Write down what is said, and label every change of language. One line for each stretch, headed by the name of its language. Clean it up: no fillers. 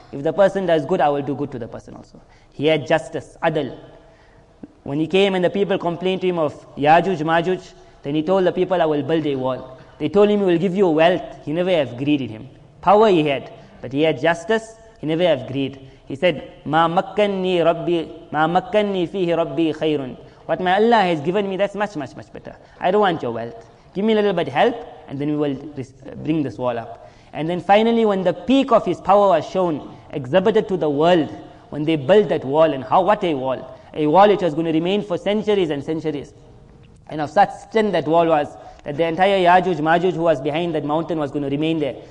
English: If the person does good, I will do good to the person also. He had justice, adl. When he came and the people complained to him of Yajuj, Majuj, then he told the people, I will build a wall. They told him, he will give you wealth. He never have greed in him. Power he had, but he had justice. He never have greed. He said,
Arabic: ما مكنني فيه ربي خيرٌ.
English: What my Allah has given me, that's much, much, much better. I don't want your wealth. Give me a little bit of help, and then we will bring this wall up. And then finally, when the peak of his power was shown, exhibited to the world, when they built that wall, and how, what a wall. A wall which was going to remain for centuries and centuries. And of such strength that wall was, that the entire Yajuj, Majuj who was behind that mountain was going to remain there.